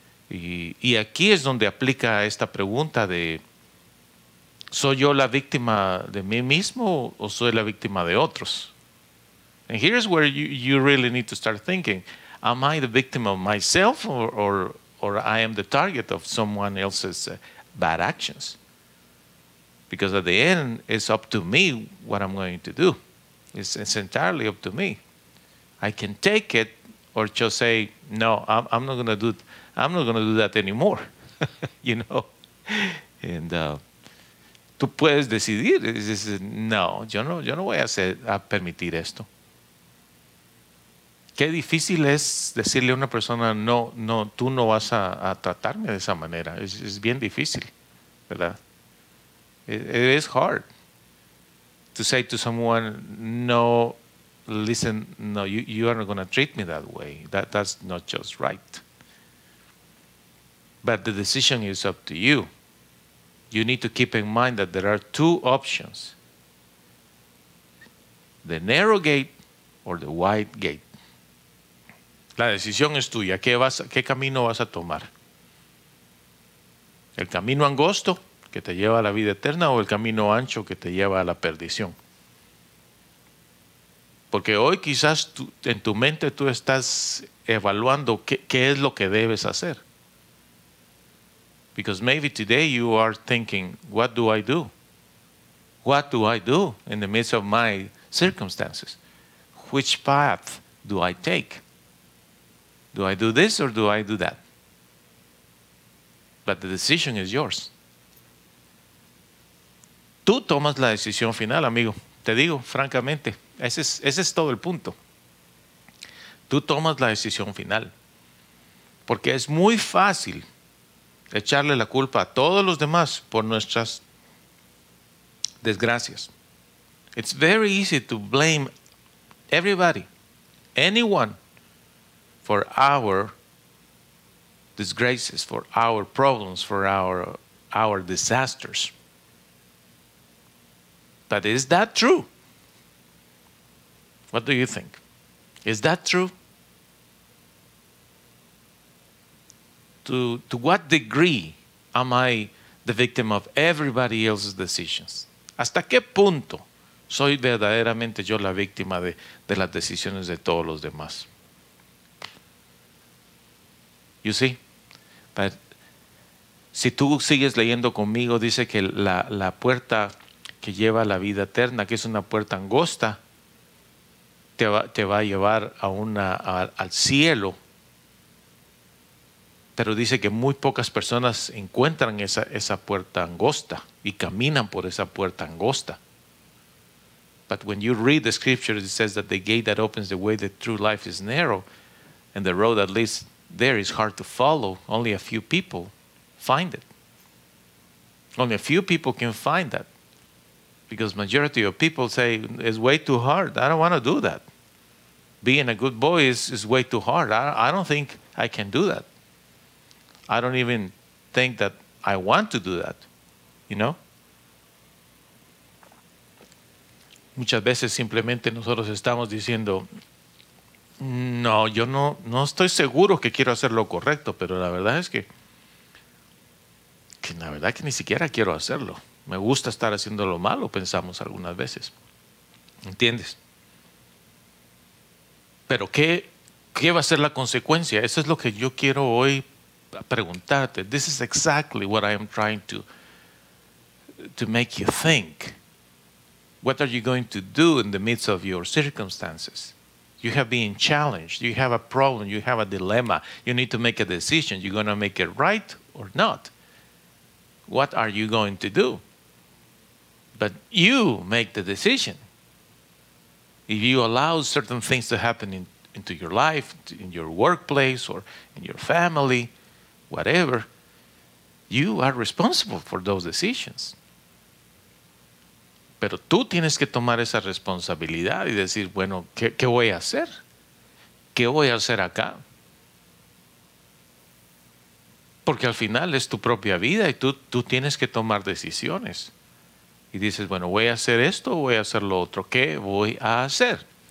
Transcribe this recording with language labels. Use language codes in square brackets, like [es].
[es] Y aquí es donde aplica esta pregunta de ¿soy yo la víctima de mí mismo o soy la víctima de otros? [en] And here's where you really need to start thinking. Am I the victim of myself or I am the target of someone else's bad actions? Because at the end, it's up to me what I'm going to do. It's entirely up to me. I can take it or just say, no, I'm not going to do that anymore. You know? And [es] tú puedes decidir. [en] It's, [es] no, yo no voy a permitir esto. Qué difícil es decirle a una persona, no, tú no vas a tratarme de esa manera. Es bien difícil, ¿verdad? [en] It is hard to say to someone, no, listen, no, you are not going to treat me that way. That's not just right. But the decision is up to you. You need to keep in mind that there are two options. The narrow gate or the wide gate. [es] La decisión es tuya. ¿Qué camino vas a tomar? ¿El camino angosto que te lleva a la vida eterna o el camino ancho que te lleva a la perdición? Porque hoy quizás en tu mente tú estás evaluando qué es lo que debes hacer. [en] Because maybe today you are thinking, what do I do? What do I do in the midst of my circumstances? Which path do I take? Do I do this or do I do that? But the decision is yours. [es] Tú tomas la decisión final, amigo. Te digo, francamente, ese es todo el punto. Tú tomas la decisión final. Porque es muy fácil echarle la culpa a todos los demás por nuestras desgracias. [en] It's very easy to blame everybody, anyone, for our disgraces, for our problems, for our disasters. But is that true? What do you think? Is that true? To what degree am I the victim of everybody else's decisions? [es] ¿Hasta qué punto soy verdaderamente yo la víctima de las decisiones de todos los demás? [en] You see, but [es] si tú sigues leyendo conmigo, dice que la puerta que lleva a la vida eterna, que es una puerta angosta, te va a llevar al cielo. Pero dice que muy pocas personas encuentran esa puerta angosta y caminan por esa puerta angosta. [en] But when you read the scriptures, it says that the gate that opens the way to true life is narrow, and the road that leads there is hard to follow. Only a few people find it. Only a few people can find that. Because majority of people say, it's way too hard. I don't want to do that. Being a good boy is way too hard. I don't think I can do that. I don't even think that I want to do that. You know? [es] Muchas veces simplemente nosotros estamos diciendo, no, yo no estoy seguro que quiero hacer lo correcto, pero la verdad es que la verdad que ni siquiera quiero hacerlo. Me gusta estar haciendo lo malo, pensamos algunas veces. ¿Entiendes? Pero ¿qué va a ser la consecuencia? Eso es lo que yo quiero hoy preguntarte. [en] This is exactly what I am trying to make you think. What are you going to do in the midst of your circumstances? You have been challenged. You have a problem. You have a dilemma. You need to make a decision. You're going to make it right or not. What are you going to do? But you make the decision. If you allow certain things to happen into your life, in your workplace, or in your family, whatever, you are responsible for those decisions. [es] Pero tú tienes que tomar esa responsabilidad y decir, bueno, ¿qué voy a hacer? ¿Qué voy a hacer acá? Porque al final es tu propia vida y tú tienes que tomar decisiones. Y dices, bueno, ¿voy a hacer esto o voy a hacer lo otro? ¿Qué voy a hacer?